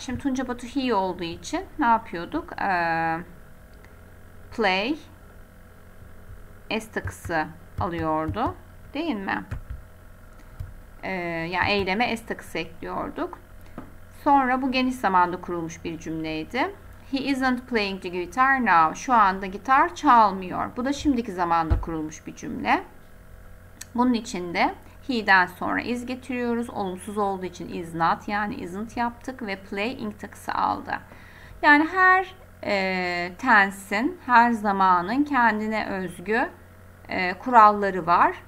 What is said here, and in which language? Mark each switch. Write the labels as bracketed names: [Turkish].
[Turkish] Şimdi Tunca Batu he olduğu için ne yapıyorduk? Play S takısı alıyordu. Değil mi? Yani eyleme S takısı ekliyorduk. Sonra bu geniş zamanda kurulmuş bir cümleydi. [English] He isn't playing the guitar now. [Turkish] Şu anda gitar çalmıyor. Bu da şimdiki zamanda kurulmuş bir cümle. Bunun için de he'den sonra is getiriyoruz. Olumsuz olduğu için is not, yani isn't yaptık ve playing takısı aldı. Yani her tense'in, her zamanın kendine özgü kuralları var.